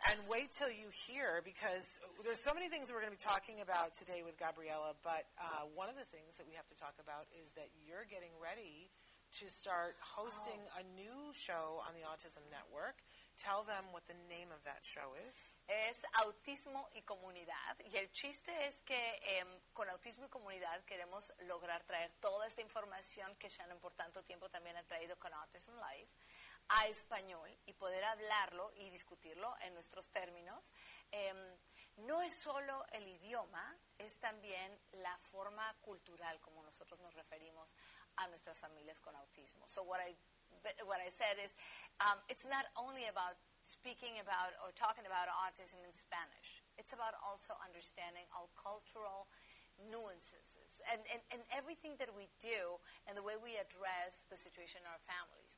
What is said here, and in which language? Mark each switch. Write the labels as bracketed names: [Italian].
[English] And wait till you hear, because there's so many things we're going to be talking about today with Gabriella, but one of the things that we have to talk about is that you're getting ready to start hosting a new show on the Autism Network. Tell them what the name of that show is. [Spanish] Es Autismo y Comunidad. Y el chiste es que con Autismo y Comunidad queremos lograr traer toda esta información que Shannon por tanto tiempo también ha traído con Autism Life a español y poder hablarlo y discutirlo en nuestros términos. No es solo el idioma, es también la forma cultural como nosotros nos referimos a nuestras familias con autismo. [English] So what I said is, it's not only about speaking about or talking about autism in Spanish. It's about also understanding all cultural nuances and everything that we do and the way we address the situation in our families.